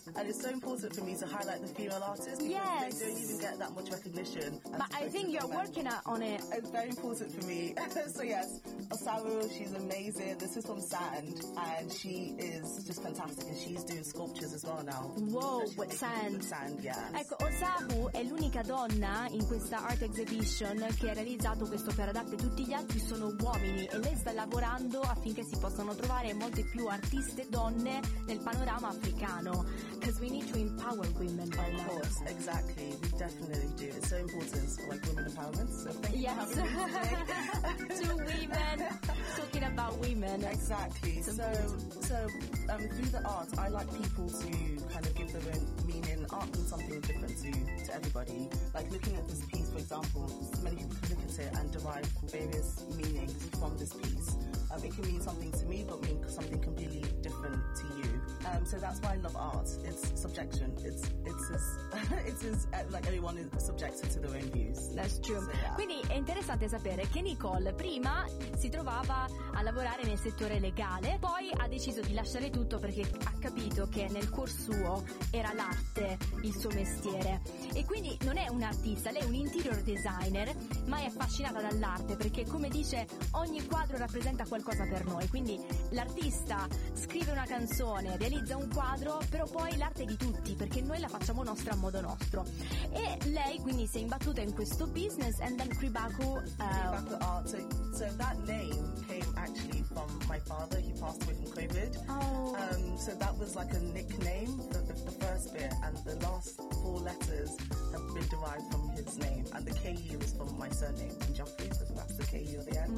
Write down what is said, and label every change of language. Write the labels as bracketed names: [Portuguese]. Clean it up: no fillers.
[English] And it's so important for me to highlight the female artists because yes. they don't even get that much recognition. But I think you're working on it. It's very important for me. So yes, Osamu, she's amazing. This is from Sand and she is just fantastic and she's doing sculptures as well now. Whoa, so with sand. With sand, yes. [Italian] Ecco, Osamu è l'unica donna in questa art exhibition che ha realizzato questo per adatte, tutti gli altri sono uomini e lei sta lavorando affinché si possano trovare molte più artiste donne nel panorama africano. [English] Because we need to empower women by now. Of course, exactly. We definitely do. It's so important for like women empowerment. So thank you for having me today. Two women talking about women. Exactly. So through the art, I like people to kind of give their own meaning. Art means something different to everybody. Like looking at this piece, for example, many people look at it and derive various meanings from this piece. It can mean something to me, but mean something completely different to you. So that's why I love art. It's subjection. It's just, like everyone is subjected to their own views. That's true. Yeah. [Italian] Quindi è interessante sapere che Nicole prima si trovava a lavorare nel settore legale, poi ha deciso di lasciare tutto perché ha capito che nel cuor suo era l'arte il suo mestiere. E quindi non è un'artista, lei è un interior designer, ma è affascinata dall'arte perché, come dice, ogni quadro rappresenta qualcosa per noi. Quindi l'artista scrive una canzone, realizza un quadro, però poi l'arte è di tutti perché noi la facciamo nostra a modo nostro. E lei quindi si è imbattuta in questo business, [English] and then [Italian] Kibraku [English] Art. So that name came actually from my father. He passed away from COVID. Oh. So that was like a nickname, the first bit, and the last four letters have been derived from his name. And the KU is from my surname, Njoku, so that's the KU at the end.